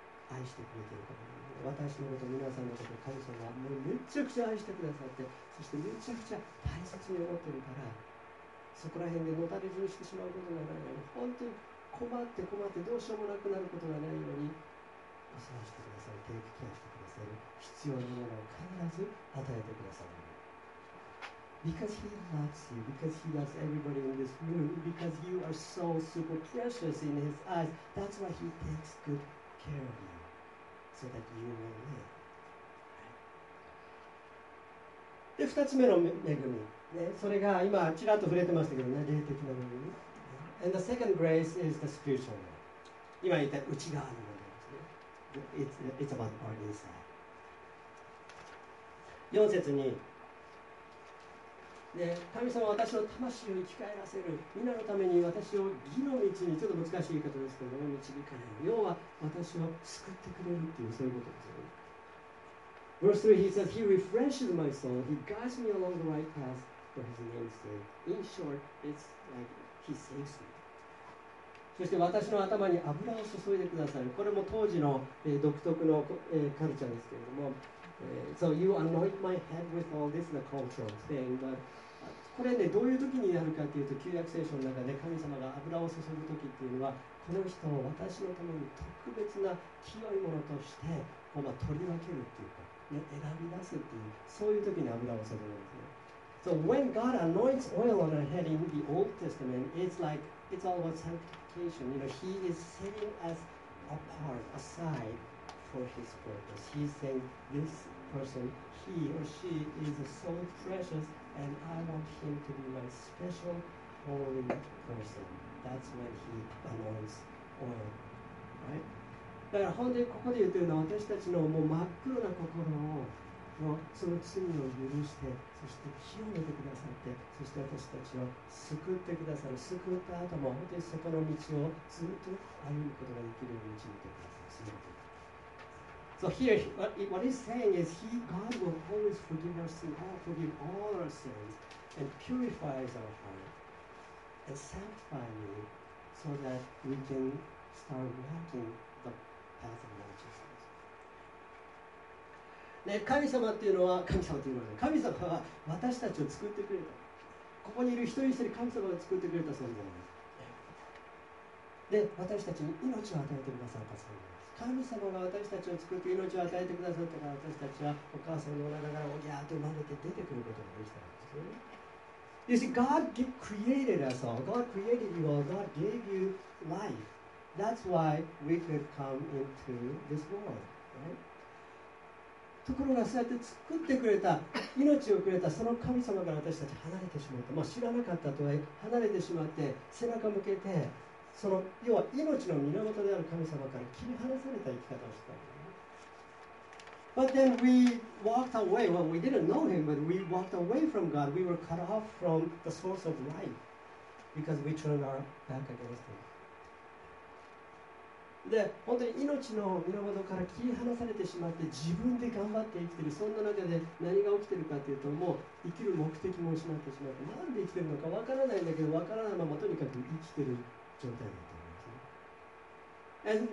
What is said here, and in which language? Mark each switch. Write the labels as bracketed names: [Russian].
[Japanese] 愛してくれてるから、ね、私のこと、皆さんのこと、神様がもうめちゃくちゃ愛してくださって、そしてめちゃくちゃ大切に思ってるから、そこら辺でのたれ死にしてしまうことがないのに、本当に困って困ってどうしようもなくなることがないように、お世話してください、テイクケアしてくださる、必要なものを必ず与えてくださる。 [English] Because he loves you, because he loves everybody in this room, because you are so super precious in his eyes, that's why he takes good care of you, so that you may live. [Japanese] で、二つ目の恵み、ね、それが今ちらっと触れてましたけどね、霊的な恵み。 [English] And the second grace is the spiritual one. [Japanese] 今言った内側のものですね。 [English] It's about our inside. [Japanese] 四節に、ね、神様は私の魂を生き返らせる。皆のために私を義の道に、ちょっと難しいことですけど、導かれる。要は私を救ってくれるっていう、そういうことですよね。 [English] Verse 3, he says, He refreshes my soul. He guides me along the right path for his name's sake. In short, it's like,He saves me. [Japanese] そして私の頭に油を注いでくださる。これも当時の、独特の、カルチャーですけれども、 [English] So you anoint my head with all this, the cultural thing, but [Japanese] これね、どういう時にやるかというと、旧約聖書の中で神様が油を注ぐ時っていうのは、この人を私のために特別な清いものとしてこう取り分けるっていうか、ね、選び出すっていう、そういう時に油を注ぐんですね。 [English] So when God anoints oil on her head in the Old Testament, it's like it's all about sanctification. You know, He is setting us apart, aside for His purpose. He's saying, "This person, he or she, is so precious, and I want him to be my special holy person." That's when He anoints oil, right? [Japanese] だから本当にここで言っているのは、私たちのもう真っ黒な心をその罪を許して、そして清めてくださって、そして私たちを救ってくださる、救った後も本当にそこの道をずっと歩むことができるように導いてくださる。 [English] So here what he's saying is he, God will always forgive our sins, forgive all our sins and purifies our heart and sanctify me so that we can start walking the path of righteousness. [Japanese] ね、神様っていうのは、神様というのは、神様は私たちを作ってくれた、ここにいる一人一人神様が作ってくれた存在です。で、私たちに命を与えてくださった存在です。神様が私たちを作って命を与えてくださったから、私たちはお母さんのお腹からおぎゃーと生まれて出てくることができたんですよね。 [English] You see, God created us all. God created you all. God gave you life. That's why we could come into this world, right? [Japanese] ところが、そうやって作ってくれた、命をくれたその神様から私たち離れてしまうと、まあ、知らなかったとはいえ離れてしまって、背中向けて、その要は命の源である神様から切り離された生き方をした。 [English] But then we walked away. Well, we didn't know him, but we walked away from God. We were cut off from the source of life because we turned our back against him. [Japanese] で、本当に命の源から切り離されてしまって、自分で頑張って生きている、そんな中で何が起きているかというと、もう生きる目的も失ってしまって、なんで生きているのかわからないんだけど、わからないままとにかく生きている状態だと思います。